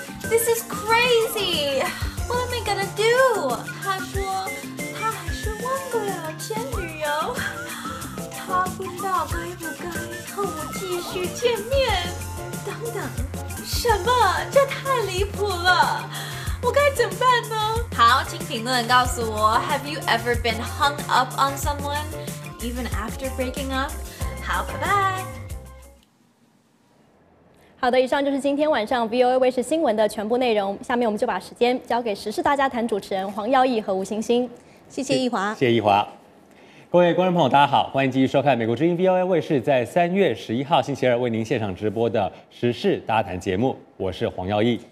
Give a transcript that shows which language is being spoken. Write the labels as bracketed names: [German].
[English] This is crazy What am I gonna do? [Chinese] 他说他还是忘不了前女友他不知道该不该和我继续见面。等等，什么？这太离谱了！我该怎么办呢？好，请评论告诉我 [English] ，Have you ever been hung up on someone, even after breaking up？ [Chinese] 好，拜拜。好的，以上就是今天晚上 VOA 卫视新闻的全部内容。下面我们就把时间交给时事大家谈主持人黄耀毅和吴欣欣。谢谢易华。谢谢易华。各位观众朋友大家好，欢迎继续收看美国之音 VOA 卫视在3月11号星期二为您现场直播的时事大谈节目，我是黄耀毅。